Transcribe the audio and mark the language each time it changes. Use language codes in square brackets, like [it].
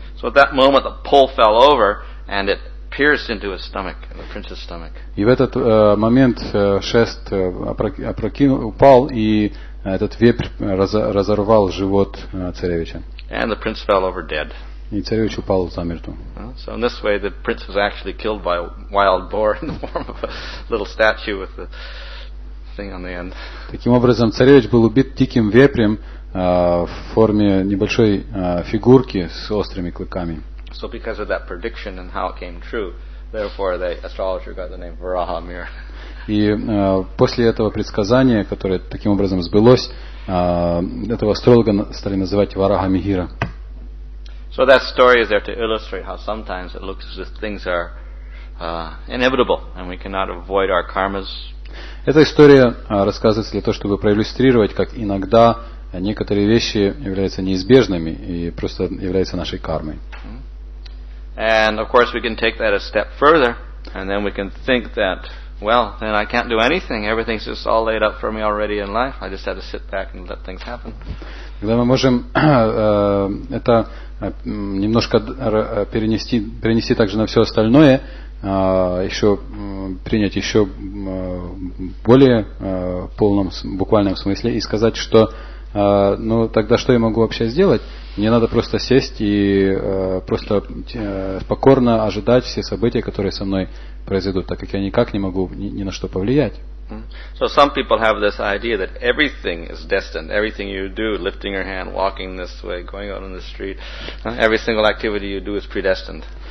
[en] So at that moment the pole fell over. And it pierced into his stomach, the prince's stomach. [ru] И в этот момент шест упал, и этот вепрь разорвал живот царевича. [en] And the prince fell over dead. [ru] И царевич упал замертво. [en] So in this way, the prince was actually killed by a wild boar in the form of a little statue with the thing on the end. [ru] Таким образом, царевич был убит диким вепрем в форме небольшой фигурки с острыми клыками. [en] So because of that prediction and how it came true, therefore the astrologer got the name Varaha Mir. [ru] И после этого предсказания, которое таким образом сбылось, этого астролога стали называть Варага Мигира. [en] So that story is there to illustrate how sometimes it looks as if things are inevitable and we cannot avoid our karmas. [ru] Эта история рассказывается для того, чтобы проиллюстрировать, как иногда некоторые вещи являются неизбежными и просто являются нашей кармой. [en] And of course we can take that a step further and then we can think that well, then I can't do anything. Everything's just all laid up for me already in life. I just have to sit back and let things happen. [ru] Когда мы можем это немножко перенести также на все остальное, еще принять еще более полном буквальном смысле и сказать, что ну тогда что я могу вообще сделать? Мне надо просто сесть и просто покорно ожидать все события, которые со мной произойдут, так как я никак не могу ни на что повлиять. [en] So some people have this idea that everything is destined. Everything you do, lifting your hand, walking this way, going out on the street, every single activity you do is predestined.